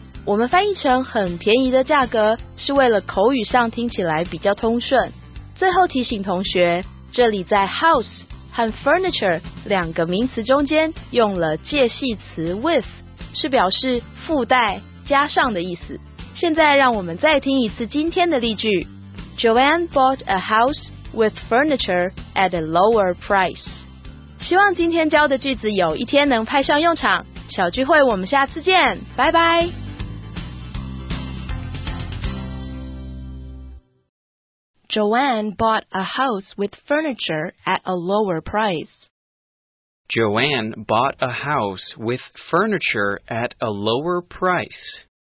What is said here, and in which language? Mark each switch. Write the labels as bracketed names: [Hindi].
[Chinese] 我们翻译成很便宜的价格是为了口语上听起来比较通顺。最后提醒同学，这里在 house和 furniture 两个名词中间用了介系词 with， 是表示附带加上的意思。现在让我们再听一次今天的例句。 [English] Joanne bought a house with furniture at a lower price. [Chinese] 希望今天教的句子有一天能派上用场。小聚会我们下次见，拜拜。 [English] Joanne bought a house with furniture at a lower price. Joanne bought a house with furniture at a lower price.